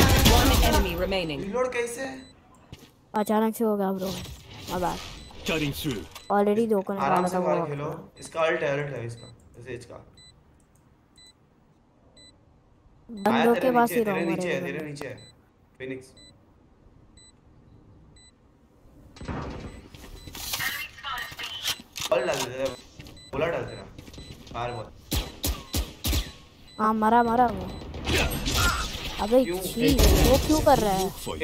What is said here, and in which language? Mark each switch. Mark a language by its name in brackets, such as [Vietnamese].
[English] One enemy remaining. [Hindi] Reload kaise? अचानक से हो गया bro. [English] My bad. Cutting through. [Hindi] Already दो को आराम से वाला खेलो. इसका ult turret है इसका. इसे इसका. बंदों के पास ही रहूंगा नीचे तेरे नीचे फिनिक्स बोल डाल दे बोला डाल दे बाहर बोल हाँ मरा मरा वो अबे ची वो क्यों कर रहा है